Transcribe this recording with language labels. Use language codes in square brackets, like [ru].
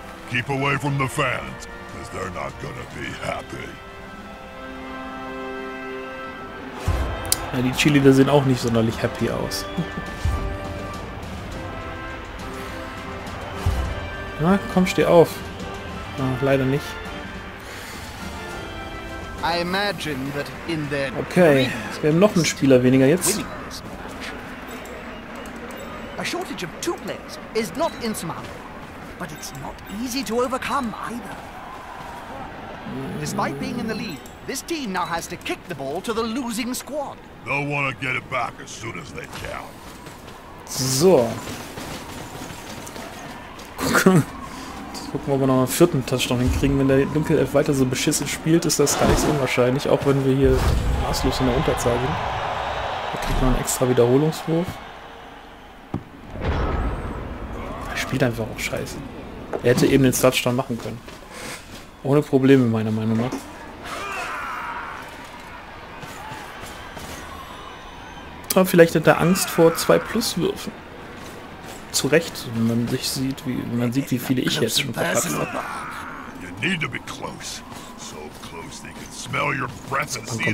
[en] Keep away from the fans, because they're not gonna be happy. [de] Ja, die Cheerleader sehen auch nicht sonderlich happy aus. Na, komm, steh auf. Na, leider nicht. Okay, wir haben noch einen Spieler weniger jetzt. [en] A shortage of two players is not insurmountable, but it's not easy to overcome either. Despite being in the lead, this team now has to kick the ball to the losing squad. They'll want to get it back as soon as they can. So. [de] Gucken, ob wir noch einen vierten Touchdown hinkriegen. Wenn der Dunkelelf weiter so beschissen spielt, ist das gar nicht so unwahrscheinlich, auch wenn wir hier maßlos in der Unterzahl sind. Da kriegt man einen extra Wiederholungswurf. Er spielt einfach auch scheiße. Er hätte eben den Touchdown machen können. Ohne Probleme, meiner Meinung nach. Aber vielleicht hat er Angst vor 2-Plus-Würfen. Zu Recht, wenn man sich sieht, wie viele ich jetzt schon verpackt habe. [en] You need to be close. So close they can smell your breath and see